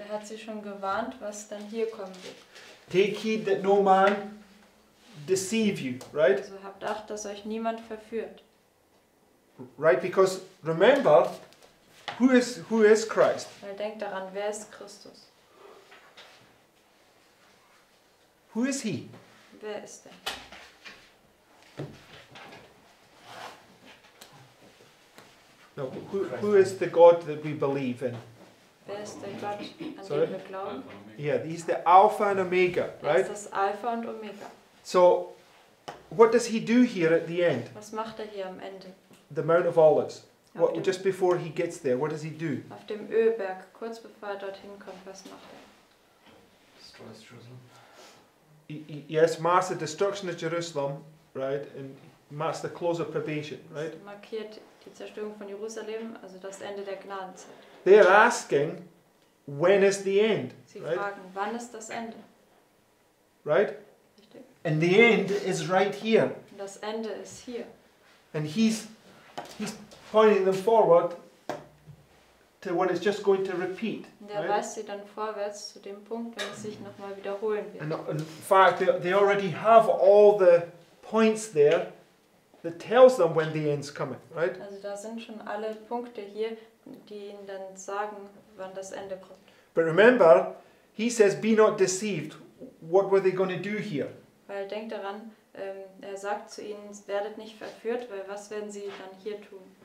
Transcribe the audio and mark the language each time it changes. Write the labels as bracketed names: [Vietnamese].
[German] Er hat sie schon gewarnt, was dann hier kommen wird. [English] Take heed that no man deceive you, right? [German] Also habt Acht, dass euch niemand verführt. [English] Right, because remember, who is Christ? [German] Weil denkt daran, wer ist Christus? [English] Who is he? [German] Wer ist er? [English] No, who is the God that we believe in? [German] Wer ist der Gott, an Sorry? Den wir glauben? [English] Yeah, he's the Alpha and Omega, right? [German] Er ist das Alpha und Omega. [English] So, what does he do here at the end? [German] Was macht er hier am Ende? [English] The Mount of Olives. Just before he gets there, what does he do? [German] Auf dem Ölberg, kurz bevor er dorthin kommt, was macht er? [English] Destroys Jerusalem. Yes, marks the destruction of Jerusalem, right? And marks the close of probation, right? [German] Das markiert die Zerstörung von Jerusalem, also das Ende der Gnadenzeit. [English] They are asking, when is the end? [German] Sie [English] right? [German] fragen, wann ist das Ende? [English] Right? [German] Richtig. [English] And the end is right here. [German] Das Ende ist hier. [English] And he's pointing them forward to what is just going to repeat. [German] Und er weist sie dann vorwärts zu dem Punkt, wenn es sich nochmal wiederholen wird. [English] And in fact, they already have all the points there. That tells them when the end's coming, right? [German] Also da sind schon alle Punkte hier, die ihnen dann sagen, wann das Ende kommt. [English] But remember, he says, be not deceived. What were they going to do here? [German] Weil denkt daran, er sagt zu ihnen, werdet nicht verführt, weil was werden sie dann hier tun?